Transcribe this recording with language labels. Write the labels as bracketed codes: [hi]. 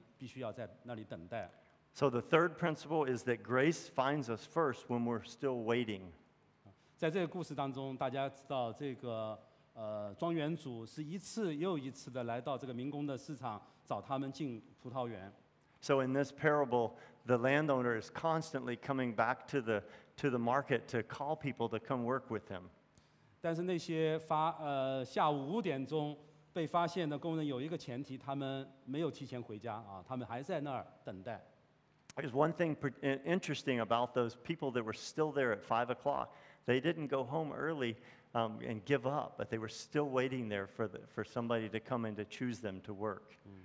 [zh] 第三，恩典首先来找我们，当然我们必须要在那里等待。 [en] So the third principle is that grace finds us first when we're still waiting. [zh] 在这个故事当中，大家知道这个。庄园主是一次又一次的来到这个民工的市场，找他们进葡萄园。 [en] So in this parable, the landowner is constantly coming back to the market to call people to come work with him. [zh] 但是那些下午5点钟被发现的工人有一个前提，他们没有提前回家啊，他们还在那儿等待。 [en] There's one thing interesting about those people that were still there at 5 o'clock. They didn't go home early. And give up, but they were still waiting there for somebody to come and to choose them to work.